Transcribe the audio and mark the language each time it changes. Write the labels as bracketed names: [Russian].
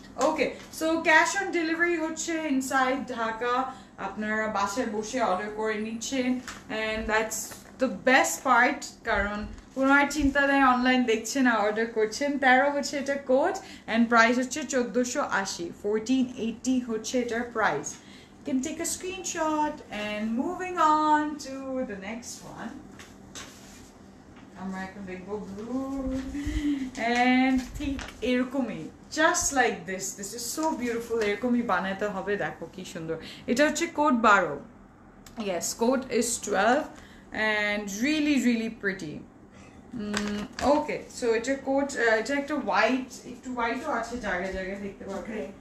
[Bangla] Okay, so cash on delivery হচ্ছে inside Dhaka, আপনারা বাসায় বসে অর্ডার করে নিচ্ছেন, [English] and that's the best part, [Bangla] কারণ পুনরায় চিন্তা নেই, অনলাইন দেখছেন আর অর্ডার করছেন। 13 হচ্ছে এটা কোড, অ্যান্ড প্রাইস হচ্ছে 1480, 1480 হচ্ছে এটার price. [English] Can take a screenshot and moving on to the next one. [Bangla] আমরা একটা দেখবো ব্লু, অ্যান্ড ঠিক এরকমই, [English] just like this, this is so beautiful, [Bangla] এরকমই বানাতে হবে, দেখো কি সুন্দর। এটা হচ্ছে code 12, [English] Yes, coat is 12 and really, really pretty. Okay, so [Bangla] এটা coat, এটা একটা white, একটু white ও আছে জায়গা জায়গায় দেখতে পাবে.